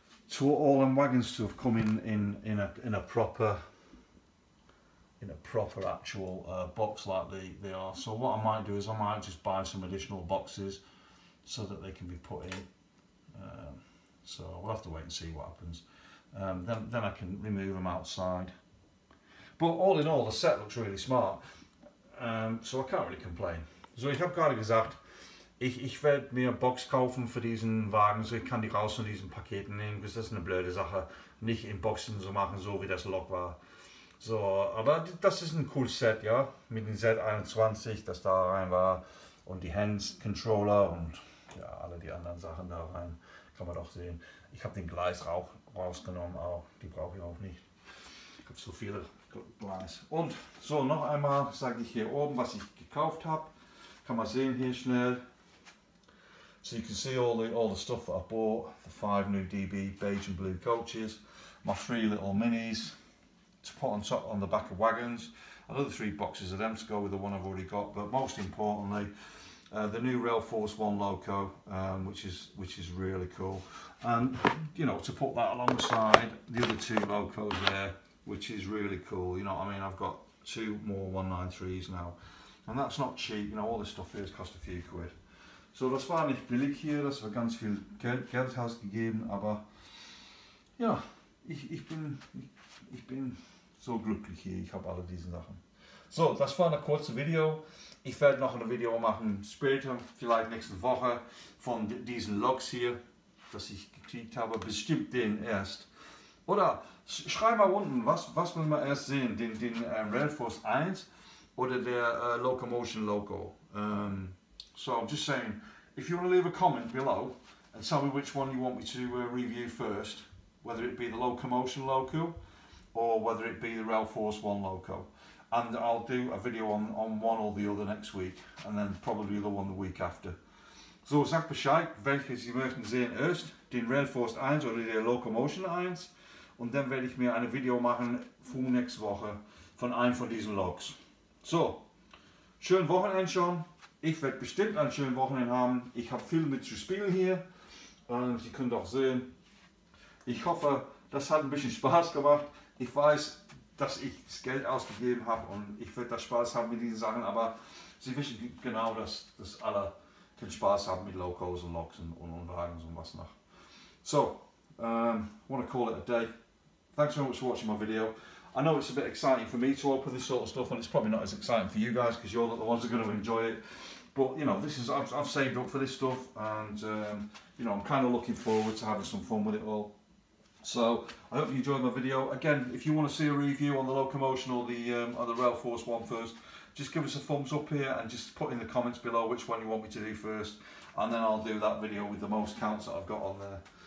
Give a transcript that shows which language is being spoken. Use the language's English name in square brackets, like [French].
[English] to all them wagons to have come in a proper actual box like they are. So what I might do is I might just buy some additional boxes so that they can be put in. So we'll have to wait and see what happens. Then I can remove them outside. But all in all, the set looks really smart. So I can't really complain. [German] So ich habe gerade gesagt, ich werde mir Box kaufen für diesen Wagen, so ich kann die raus von diesen Paketen nehmen, das ist eine blöde Sache, nicht in Boxen zu machen, so wie das Lok war. So, aber das ist ein cooles Set, ja, mit dem Z21, das da rein war, und die Hands-Controller und ja, alle die anderen Sachen da rein, kann man doch sehen. Ich habe den Gleis auch rausgenommen, auch die brauche ich auch nicht. Ich habe so viele Gleis. Und so, noch einmal sage ich hier oben, was ich gekauft habe. Kann man sehen hier schnell. [English] So you can see all the stuff that I bought, the 5 new DB beige and blue coaches, my 3 little minis to put on top on the back of wagons, another 3 boxes of them to go with the one I've already got, but most importantly, the new Rail Force 1 Loco, which is really cool. And you know, to put that alongside the other 2 Locos there, which is really cool. You know what I mean? I've got 2 more 193s now. And that's not cheap, you know, all this stuff here has cost a few quid. [German] So das war nicht billig hier, das war ganz viel Geld ausgegeben, aber ja, ich bin so glücklich hier, ich habe alle diese Sachen. So, das war ein kurzes Video. Ich werde noch ein Video machen später, vielleicht nächste Woche, von diesen Loks hier, das ich gekriegt habe, bestimmt den erst. Oder schreib mal unten, was will man erst sehen, den Rail Force 1 oder der Locomotion Loco. [English] So I'm just saying, if you want to leave a comment below and tell me which one you want me to review first, whether it be the Locomotion Loco or whether it be the Rail Force 1 Loco. And I'll do a video on one or the other next week, and then probably the one the week after. [German] So sag Bescheid, welches Sie möchten sehen erst, den Rail Force 1 oder der Locomotion 1. Und dann werde ich mir ein Video machen für nächste Woche von einem von diesen Loks. So, schönen Wochenende schon. Ich werde bestimmt einen schönen Wochenende haben. Ich habe viel mit zu spielen hier. Sie können auch sehen. Ich hoffe, das hat ein bisschen Spaß gemacht. Ich weiß, dass ich das Geld ausgegeben habe und ich werde das Spaß haben mit diesen Sachen. Aber Sie wissen genau, dass alle den Spaß haben mit Locos und Loks und Wagen und was noch. [English] So, I want to call it a day. Thanks so much for watching my video. I know it's a bit exciting for me to open this sort of stuff, and it's probably not as exciting for you guys because you're the ones who are going to enjoy it. But you know, this is I've saved up for this stuff, and you know, I'm kind of looking forward to having some fun with it all. So I hope you enjoyed my video. Again, if you want to see a review on the Locomotion or the Rail Force 1 first, just give us a thumbs up here and just put in the comments below which one you want me to do first, and then I'll do that video with the most counts that I've got on there.